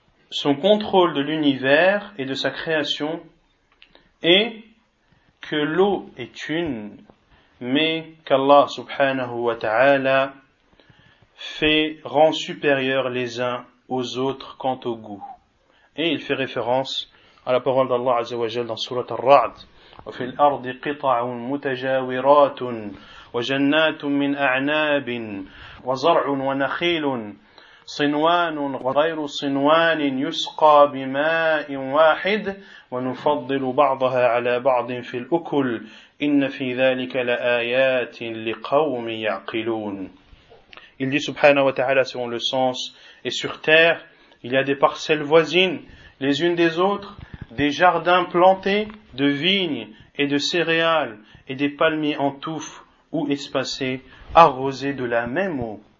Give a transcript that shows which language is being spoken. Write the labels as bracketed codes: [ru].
[fr] son contrôle de l'univers et de sa création, et que l'eau est une, mais qu'Allah subhanahu wa ta'ala rend supérieurs les uns aux autres quant au goût. Et il fait référence à la parole d'Allah azza wa jalla dans sourate Ar-Ra'd. [ar] وفي الأرض قطع متجاورات وجنات من أعناب وزرع ونخيل صنوان وغير صنوان يسقى بماء واحد ونفضل بعضها على بعض في الأكل إن في ذلك لآيات لقوم يعقلون. [fr] Il dit [ar] سبحانه وتعالى [fr] selon le sens, et sur terre il y a des parcelles voisines les unes des autres, des jardins plantés de vignes et de céréales, et des palmiers en touffes ou espacés, arrosés de la même eau.